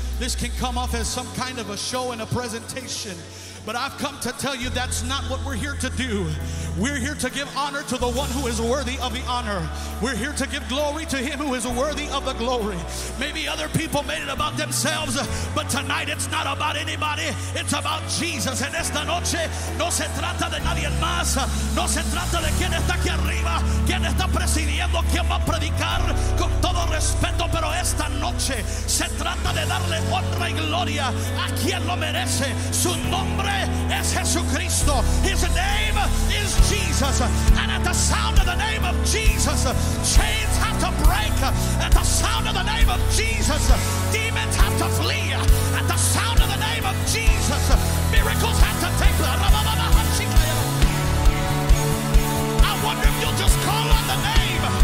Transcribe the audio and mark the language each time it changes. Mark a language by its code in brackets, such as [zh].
[en] This can come off as some kind of a show and a presentation. But I've come to tell you that's not what we're here to do. We're here to give honor to the one who is worthy of the honor. We're here to give glory to him who is worthy of the glory. Maybe other people made it about themselves, but tonight it's not about anybody. It's about Jesus. [es] En esta noche no se trata de nadie más. No se trata de quién está aquí arriba, quién está presidiendo, quién va a predicar. Con todo respeto, pero esta noche se trata de darle honra y gloria a quien lo merece. Su nombre es Jesucristo. [en] His name is Jesus. And at the sound of the name of Jesus, chains have to break. At the sound of the name of Jesus, demons have to flee. At the sound of the name of Jesus, miracles have to take place. I wonder if you'll just call on the name.